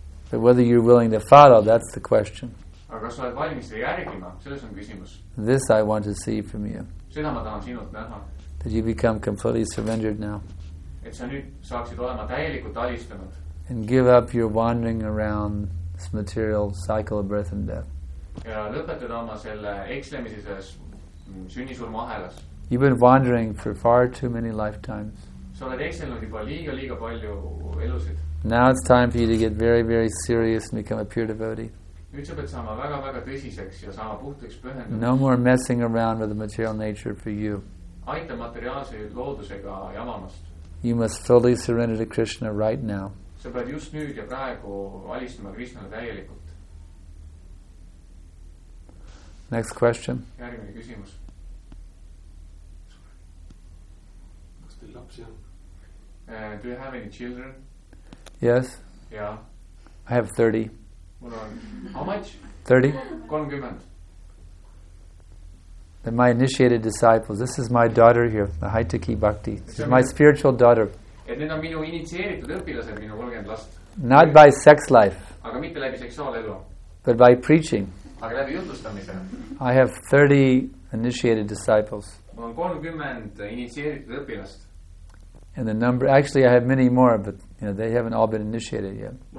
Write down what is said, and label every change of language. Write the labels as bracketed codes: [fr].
[en] But whether you're willing to follow, that's the question. [et] Aga sa oled valmis järgima, selles on küsimus. [en] This I want to see from you. [et] Seda ma tahan sinult näha. [en] That you become completely surrendered now. [et] Et sa nüüd saaksid olema täielikult alistunud. [en] And give up your wandering around this material cycle of birth and death. [et] Ja lõpetada oma selle ekslemises sünnisurma ahelas. [en] You've been wandering for far too many lifetimes. [et] Sa oled ekselnud juba liiga palju elusid. [en] Now it's time for you to get very, very serious and become a pure devotee. [et] Nüüd sa pead saama väga tõsiseks ja saama puhtaks pühendada. [en] No more messing around with the material nature for you. [et] Aita materiaalse loodusega jamamast. [en] You must fully surrender to Krishna right now. [et] Sa pead just nüüd ja praegu alistuma Krishnale täielikult. [en] Next question. [et] Järgmine küsimus. Kas teil lapsi on? [en] Do you have any children? Yes. Yeah. I have 30. How much? 30. 30. They're my initiated disciples. This is my daughter here, the Haitaki Bhakti. She's my spiritual daughter. [et] Et need on minu initsieeritud õpilased, minu 30 last. [en] Not by sex life. [et] Aga mitte läbi seksuaalelu. [en] But by preaching. [et] Aga läbi jutustamise. [en] I have 30 initiated disciples. [et] Mul on 30 initsieeritud õpilast. [en] And the number, actually I have many more, but you know, they haven't all been initiated yet.